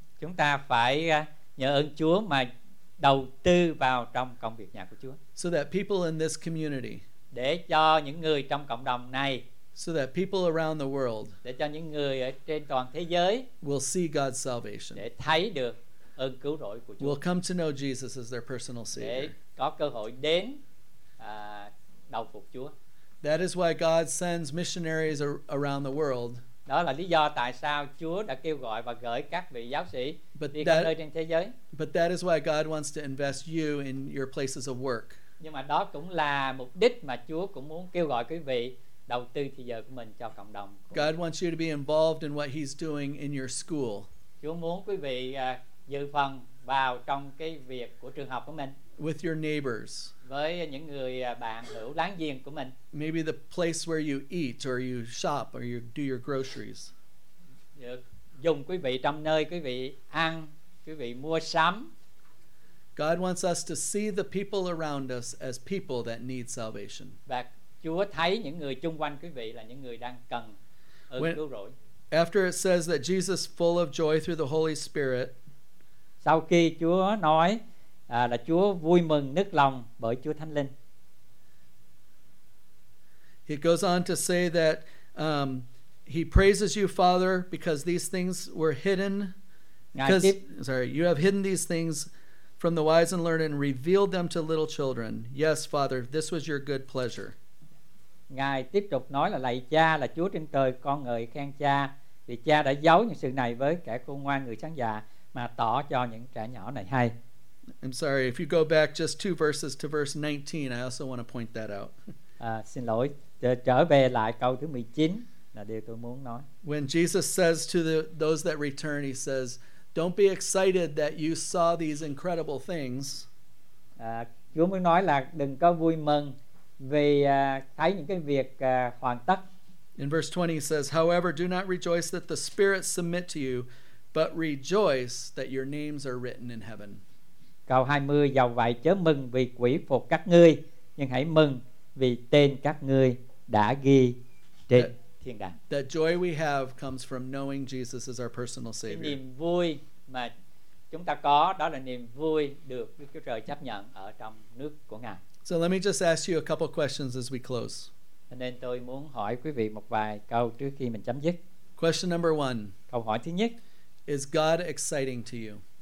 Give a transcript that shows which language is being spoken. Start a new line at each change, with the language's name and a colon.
Vietnamese: Chúng ta phải nhờ ơn Chúa mà đầu tư vào trong công việc nhà của Chúa.
English: So that people in this community,
Vietnamese: để cho những người trong cộng đồng này,
English: so that people around the world,
Vietnamese: để cho những người ở trên toàn thế giới,
English: will see God's salvation,
Vietnamese: để thấy được ơn cứu rỗi của Chúa,
English: will come to know Jesus as their personal savior,
Vietnamese: để có cơ hội đến đầu phục Chúa.
English: That is why God sends missionaries around the world.
Vietnamese: Đó là lý do tại sao Chúa đã kêu gọi và gửi các vị giáo sĩ đi khắp nơi trên thế giới.
English: But that is why God wants to invest you in your places of work.
Vietnamese: Nhưng mà đó cũng là mục đích mà Chúa cũng muốn kêu gọi quý vị đầu tư thời giờ của mình cho cộng đồng.
English: God wants you to be involved in what He's doing in your school.
Vietnamese: Chúa muốn quý vị dự phần vào trong cái việc của trường học của mình.
English: With your neighbors.
Vietnamese: Với những người bạn hữu láng giềng của mình.
English: Maybe the place where you eat or you shop or you do your groceries.
Vietnamese: Dùng quý vị trong nơi quý vị ăn, quý vị mua sắm.
English: God wants us to see the people around us as people that need salvation.
Vietnamese: Và Chúa thấy những người chung quanh quý vị là những người đang cần ơn cứu rỗi.
English: After it says that Jesus full of joy through the Holy Spirit.
Vietnamese: Sau khi Chúa nói là Chúa vui mừng nức lòng bởi Chúa Thánh Linh.
English: He goes on to say that he praises you, Father, because these things were hidden. You have hidden these things from the wise and learned and revealed them to little children. Yes, Father, this was your good pleasure.
Vietnamese: Ngài tiếp tục nói là lạy Cha, là Chúa trên trời, con ngợi khen Cha vì Cha đã giấu những sự này với kẻ khôn ngoan, người sáng dạ, mà tỏ cho những trẻ nhỏ này hay.
English: I'm sorry, if you go back just two verses to verse 19, I also want to point that out.
Vietnamese: Xin lỗi, trở về lại câu thứ 19 là điều tôi muốn nói.
English: When Jesus says to those that return, he says, don't be excited that you saw these incredible things.
Vietnamese: Chúa muốn nói là đừng có vui mừng vì thấy những cái việc hoàn tất.
English: In verse 20 he says, however, do not rejoice that the spirits submit to you, but rejoice that your names are written in heaven.
Vietnamese: Câu 20, dầu vậy chớ mừng vì quỷ phục các ngươi, nhưng hãy mừng vì tên các ngươi đã ghi trên thiên đàng.
English: The joy we have comes from knowing Jesus as our personal savior.
Vietnamese: Niềm vui mà chúng ta có đó là niềm vui được Đức Chúa Trời chấp nhận ở trong nước của Ngài.
English: So let me just ask you a couple questions as we close.
Vietnamese: Nên tôi muốn hỏi quý vị một vài câu trước khi mình chấm dứt.
English: Question number one.
Vietnamese: Câu hỏi thứ nhất.
English: Is God exciting to you?